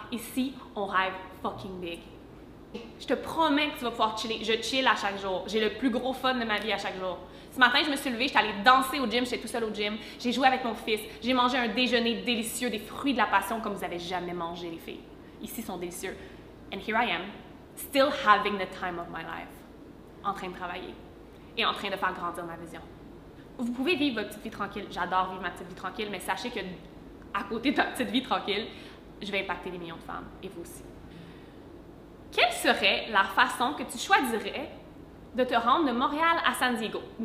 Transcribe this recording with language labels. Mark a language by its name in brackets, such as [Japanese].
[French] Ici, on rêve [English] fucking big. [French] Je te promets que tu vas pouvoir chiller. Je chill à chaque jour. J'ai le plus gros fun de ma vie à chaque jour. Ce matin, je me suis levée, j'étais allée danser au gym, j'étais tout seule au gym. J'ai joué avec mon fils. J'ai mangé un déjeuner délicieux, des fruits de la passion comme vous n'avez jamais mangé, les filles. Ici, ils sont délicieux. [English] And here I am, still having the time of my life. [French] En train de travailler. Et en train de faire grandir ma vision. Vous pouvez vivre votre petite vie tranquille. J'adore vivre ma petite vie tranquille, mais sachez que à côté de ma petite vie tranquille, je vais impacter des millions de femmes et vous aussi. Quelle serait la façon que tu choisirais de te rendre de Montréal à San Diego?